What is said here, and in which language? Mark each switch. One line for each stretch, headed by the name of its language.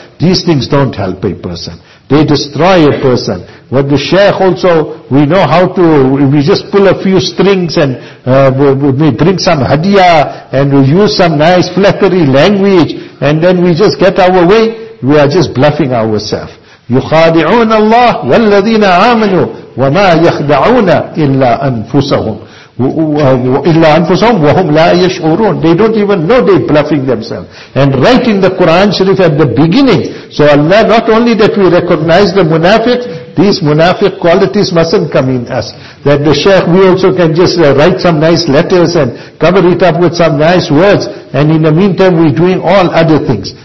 English: These things don't help a person. They destroy a person. But the sheikh also, we know how to, we just pull a few strings and we bring some hadiah and we use some nice flattery language and then we just get our way. We are just bluffing ourselves.
Arabic: يخادعون الله والذين آمنوا وما يخدعون إلا أنفسهم إلا أنفسهم وهم لا يشعرون.
English: They don't even know they're bluffing themselves. And right in the Quran Sharif at the beginning, so Allah, not only that we recognize the munafiqs, these munafiq qualities mustn't come in us. That the shaykh, we also can just write some nice letters and cover it up with some nice words, and in the meantime we're doing all other things.